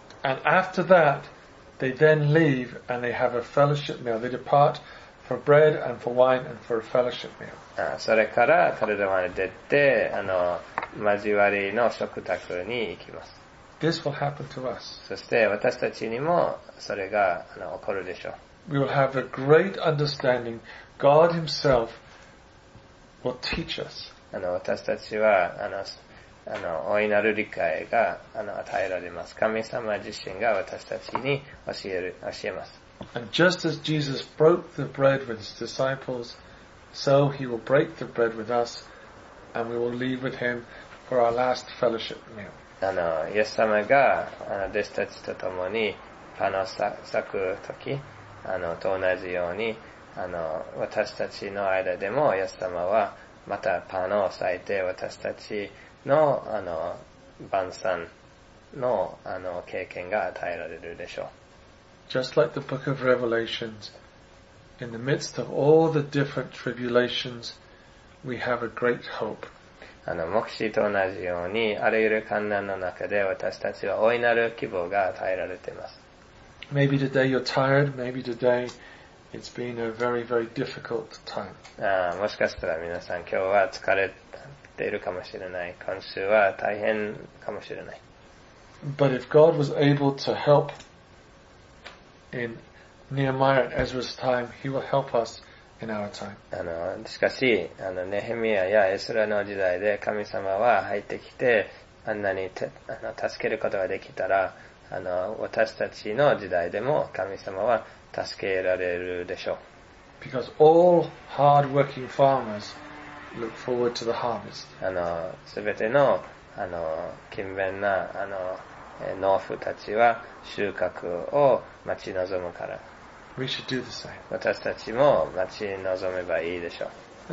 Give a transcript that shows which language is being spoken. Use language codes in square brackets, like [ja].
[en] And after that, they then leave and they have a fellowship meal. They depart. For bread and for wine and for a fellowship meal. [ja] それから彼らは出て交わりの食卓に行きます。 [en] This will happen to us. [ja] そして私たちにもそれが起こるでしょう。 [en] We will have a great understanding. God Himself will teach us. [ja] 私たちは大いなる理解が与えられます。神様自身が私たちに教えます。 [en] And just as Jesus broke the bread with his disciples, so he will break the bread with us, and we will leave with him for our last fellowship meal. [ja] イエス様が弟子たちと共にパンを裂く時、と同じように、私たちの間でもイエス様はまたパンを裂いて私たちの晩餐の経験が与えられるでしょう。 [en] Just like the book of Revelations, in the midst of all the different tribulations, we have a great hope. [ja] 黙示と同じように、あらゆる患難の中で私たちは大いなる希望が与えられています。 [en] Maybe today you're tired, maybe today it's been a very, very difficult time. [ja] もしかしたら皆さん今日は疲れているかもしれない。今週は大変かもしれない。 [en] But if God was able to help In Nehemiah and Ezra's time, He will help us in our time. [ja] しかし、ネヘミヤやエスラの時代で神様は入ってきて、あんなに助けることができたら、私たちの時代でも神様は助けられるでしょう。 [en] Because all hard-working farmers look forward to the harvest. [ja] すべての、勤勉な、農夫たちは収穫を待ち望むから。 [en] We should do the same. [ja] 私たちも待ち望めばいいでしょう。